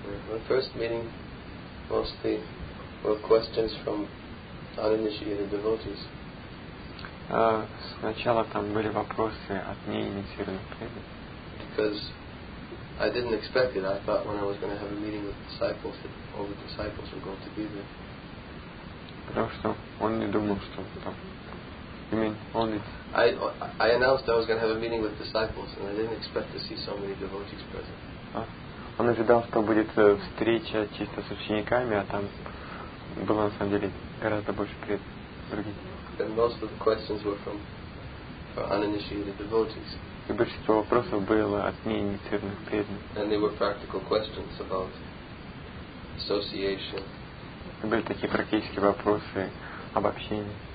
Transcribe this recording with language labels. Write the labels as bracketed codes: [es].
[en] The first meeting mostly were questions from uninitiated devotees. [ru] Сначала там были вопросы от неинициированных преданных. [en] Because I didn't expect it. I thought when I was going to have a meeting with disciples that all the disciples were going to be there. [ru] Потому что он не думал, что там. [en] You mean only? I announced I was going to have a meeting with disciples, and I didn't expect to see so many devotees present. [ru] Он ожидал, что будет встреча чисто с учениками, а там было на самом деле гораздо больше преданных. [en] And most of the questions were from uninitiated devotees. [ru] И большинство вопросов было от неинициированных преданных. [en] And they were practical questions about association. [ru] И были такие практические вопросы об общении.